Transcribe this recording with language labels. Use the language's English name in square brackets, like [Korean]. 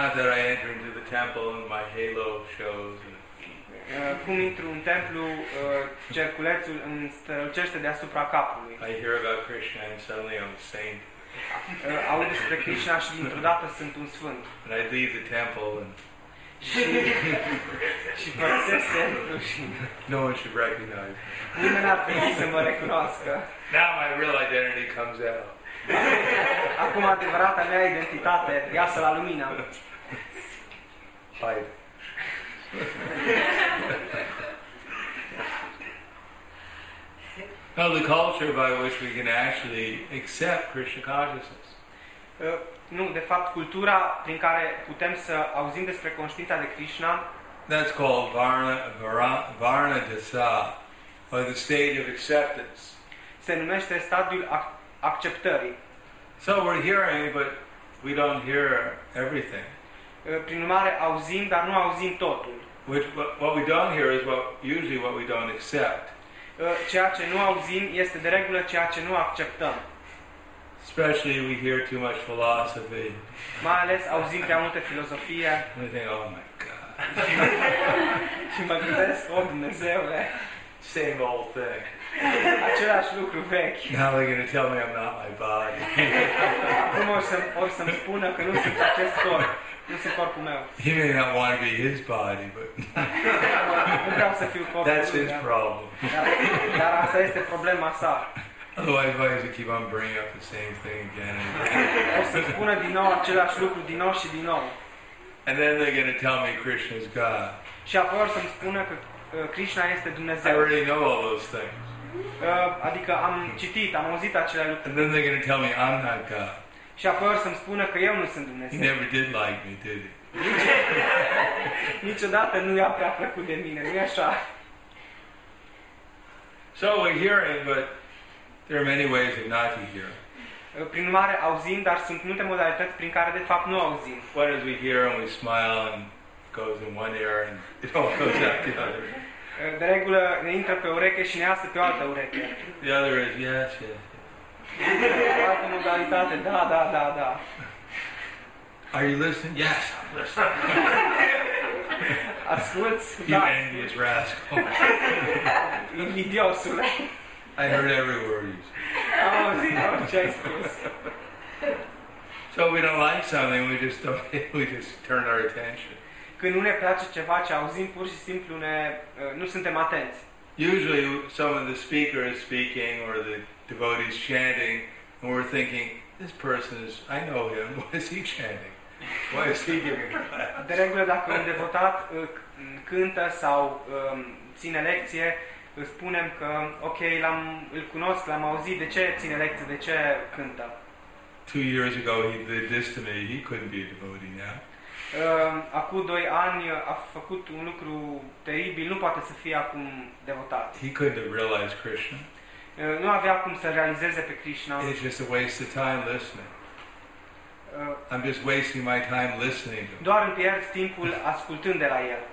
[English] Not that I enter into the temple and my halo shows. [Romanian] Cum intru în templu, cerculețul îmi strălucește deasupra capului. [English] I hear about Krishna and suddenly I'm a saint. [Romanian] Aud despre Krishna și dintr-o dată sunt un sfânt. [English] And I leave the temple and [Romanian] și părăsesc templu și [English] no one should recognize. [Romanian] Nimeni ar trebui să mă recunoască. [English] Now my real identity comes out. [Romanian] Acum adevărata mea identitate iasă la lumină. Hai. [English] Well, the culture by which we can actually accept Krishna consciousness. [Romanian] Nu, de fapt, cultura prin care putem să auzim despre conștiința de Krishna. [English] That's called Varnadasa, or the stage of acceptance. [Romanian] Se numește stadiul acceptării. [English] So we're hearing, but we don't hear everything. [Romanian] Prin urmare, auzim, dar nu auzim totul. [English] What we don't hear is usually what we don't accept. [Romanian] Ceea ce nu auzim este de regulă ceea ce nu acceptăm. [English] Especially we hear too much philosophy. [Romanian] Mai ales auzim prea multe filozofie. [English] We think, oh my God. [Romanian] Și mă gândesc, oh Dumnezeule. [English] Same old thing. [Romanian] Același lucru vechi. [English] Now they're going to tell me I'm not my body. [Romanian] Acum or să-mi spună că nu sunt acest corp. Nu sunt corpul meu. [English] He may not want to be his body, but [Romanian] nu vreau să fiu corpul. [English] That's his problem. [Romanian] Dar asta este problema sa. [English] Otherwise, why does he keep on bringing up the same thing again and again? [Romanian] O să spună din nou același lucru din nou și din nou. [English] And then they're going to tell me Krishna is God. [Romanian] Și apoi or să-mi spună că Krishna este Dumnezeu. [English] I already know all those things. [Romanian] Adică am citit, am auzit acele lucruri. [English] And then they're going to tell me I'm not God. [Romanian] Și apoi să-mi spună că eu nu sunt Dumnezeu. [English] He never did like me, did he? [Romanian] Niciodată nu i-a prea plăcut de mine, nu-i așa? [English] So we're hearing, but there are many ways of not to hear. [Romanian] Prin urmare auzim, dar sunt multe modalități prin care de fapt nu auzim. [English] What is we hear and we smile and goes in one ear and it all goes out the other. [Romanian] De regulă ne intră pe ureche și ne iasă pe o altă ureche. [English] The other is, yes, yes. [Romanian] Altă modalitate, da, da, da, da. [English] Are you listening? Yes, I'm listening. [Romanian] Asculți? [English] Da. You envious rascal. [Romanian] Invidiosule. [English] I heard every word you said. [Romanian] Am auzit orice ai spus. [English] So we don't like something, we just don't, we just turn our attention. [Romanian] Când nu ne place ceva, ce auzim, pur și simplu ne, nu suntem atenți. [English] Usually someone, the speaker is speaking or the devotee is chanting and we're thinking, this person is, I know him, why is he chanting? Why is he giving class? [Romanian] De regulă, dacă un devotat cântă sau ține lecție, spunem că, ok, l-am, îl cunosc, l-am auzit, de ce ține lecție, de ce cântă? [English] 2 years ago he did this to me, he couldn't be a devotee now. [Romanian] Acum 2 ani a făcut un lucru teribil, nu poate să fie acum devotat. [English] He couldn't realize Krishna. [Romanian] Nu avea cum să realizeze pe Krishna. [English] It's just a waste of time listening. I'm just wasting my time listening to him. [Romanian] Doar îmi pierd timpul ascultând de la el.